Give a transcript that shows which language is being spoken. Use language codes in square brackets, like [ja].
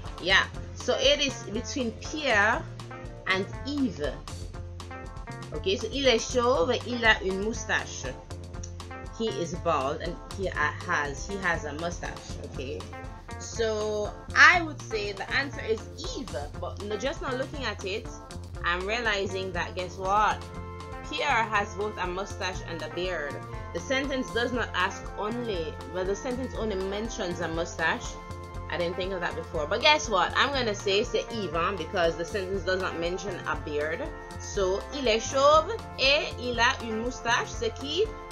[en] Yeah, so it is between Pierre and Yves. Okay, so [fr] il est chauve et il a une moustache. [en] He is bald and he has a mustache, okay? So I would say the answer is Eve, but just now looking at it, I'm realizing that guess what? Pierre has both a mustache and a beard. The sentence does not ask only, well, the sentence only mentions a mustache. I didn't think of that before, but guess what? I'm gonna say [fr] c'est Eve, hein, [en] because the sentence does not mention a beard. [fr] So il est chauve et il a une moustache, c'est qui?